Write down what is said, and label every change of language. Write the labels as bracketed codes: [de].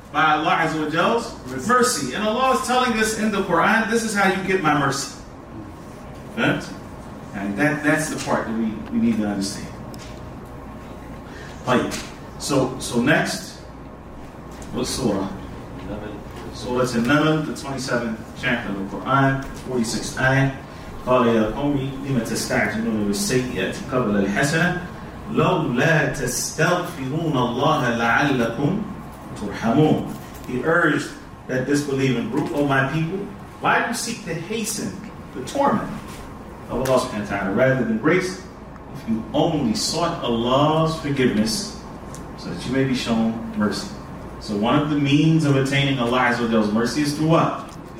[en] By Allah Azza wa Jal's mercy. And Allah is telling us in the Quran, this is how you get my mercy. Right? And that's the part that we need to understand. So next, what surah? So it's in Naml, the 27th chapter of the Quran, 46th ayah. [ar] قال يا قوم لما تستعجلون بالسيئة قبل الحسنة لولا تستغفرون الله لعلكم ترحمون. [en] He urged that disbelieving group, O my people, why do you seek to hasten the torment of Allah subhanahu wa ta'ala rather than grace? If you only sought Allah's forgiveness so that you may be shown mercy. So one of the means of attaining Allah's mercy is through what?